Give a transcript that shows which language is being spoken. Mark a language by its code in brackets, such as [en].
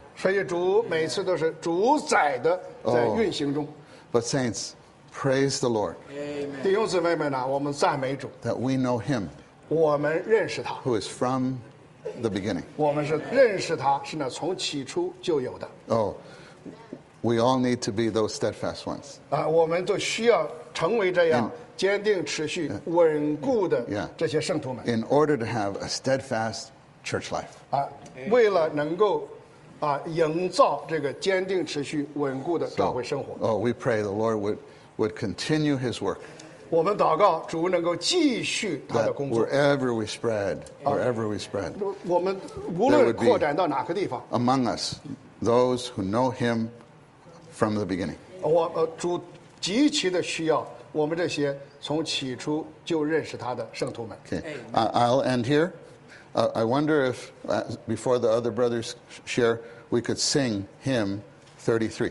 [zh] 所以主每次都是主宰的在运行中。 [en] But saints, praise the Lord. [zh] 弟兄姊妹们呢，我们赞美主。 [en] That we know Him. [zh] 我们认识他。 [en] Who is from the beginning. [zh] 我们是认识他，是那从起初就有的。 [en] Oh, we all need to be those steadfast ones. [zh] 我们都需要成为这样坚定持续稳固的这些圣徒们。 [en] In order to have a steadfast church life. [zh] 为了能够 营造这个坚定持续稳固的教会生活。 [en] So, oh, we pray the Lord would continue his work. [zh] 我们祷告主能够继续他的工作。 [en] That wherever we spread, [zh] 我们无论扩展到哪个地方, [en] among us, those who know him from the beginning. [zh] 主极其的需要我们这些从起初就认识他的圣徒们。 [en] Okay, I'll end here. I wonder if, before the other brothers share, we could sing hymn 33.